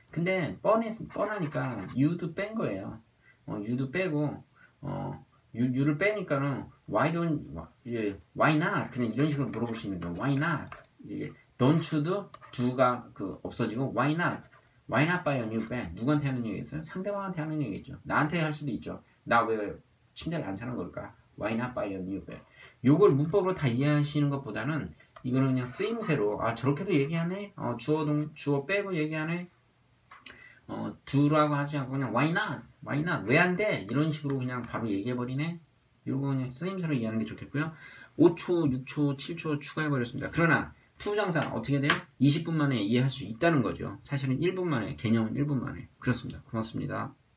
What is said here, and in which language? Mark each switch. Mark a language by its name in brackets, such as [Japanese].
[Korean] 근데 뻔하니까 you도 뺀 거예요. you도 빼고 you를 빼니까는 why not 그냥 이런 식으로 물어볼 수 있는 거. why not 이게 don't도 do가 그 없어지고 why not. [English] Why not buy a new bed? [Korean] 누구한테 하는 얘기겠어요? 상대방한테 하는 얘기겠죠. 나한테 할 수도 있죠. 나왜 침대를 안 사는 걸까? [English] Why not buy a new bed? [Korean] 요걸 문법으로 다 이해하시는 것보다는 이거는 그냥 쓰임새로 아 저렇게도 얘기하네 어 주어 빼고 얘기하네 어 do라고 하지 않고 그냥 why not 왜안돼 이런 식으로 그냥 바로 얘기해 버리네 이거 그냥 쓰임새로 이해하는 게 좋겠고요 5초 6초 7초 추가해 버렸습니다 그러나 투 정사 어떻게 돼요 20분 만에 이해할 수 있다는 거죠 사실은 1분 만에 개념은 1분 만에 그렇습니다 고맙습니다